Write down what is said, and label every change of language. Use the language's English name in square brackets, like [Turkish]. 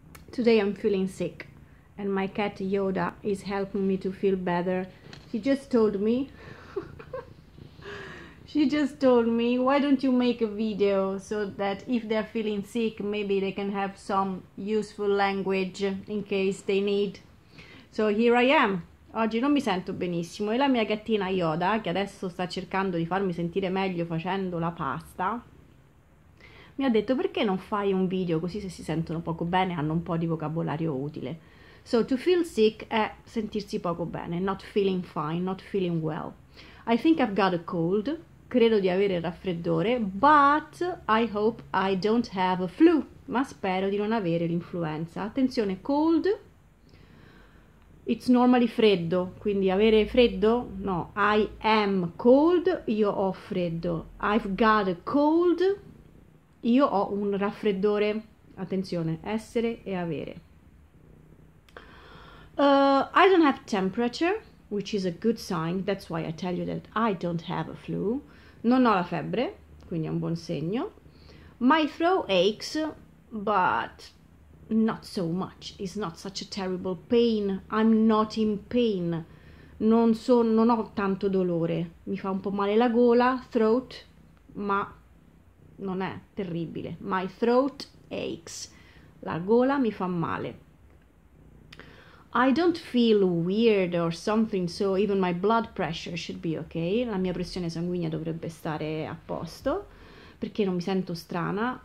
[English] Today I'm feeling sick and my cat Yoda is helping me to feel better. She just told me, why don't you make a video so that if they're feeling sick, maybe they can have some useful language in case they need. So here I am. [Italian] Oggi non mi sento benissimo e la mia gattina Yoda, che adesso sta cercando di farmi sentire meglio facendo la pasta, mi ha detto perché non fai un video così se si sentono poco bene hanno un po' di vocabolario utile. [English] So to feel sick [Italian] è sentirsi poco bene, [English] not feeling fine, not feeling well. I think I've got a cold, [Italian] credo di avere il raffreddore, [English] but I hope I don't have a flu, [Italian] ma spero di non avere l'influenza. Attenzione, cold, [English] it's normally [Italian] freddo, quindi avere freddo? [English] No, I am cold, [Italian] io ho freddo. [English] I've got a cold. [Italian] Io ho un raffreddore, attenzione, essere e avere. [English] I don't have temperature, which is a good sign, that's why I tell you that I don't have a flu. [Italian] Non ho la febbre, quindi è un buon segno. [English] My throat aches, but not so much. It's not such a terrible pain. I'm not in pain. [Italian] Non ho tanto dolore. Mi fa un po' male la gola, throat, ma non è terribile. [English] My throat aches. [Italian] La gola mi fa male. [English] I don't feel weird or something, so even my blood pressure should be okay. [Italian] La mia pressione sanguigna dovrebbe stare a posto, perché non mi sento strana.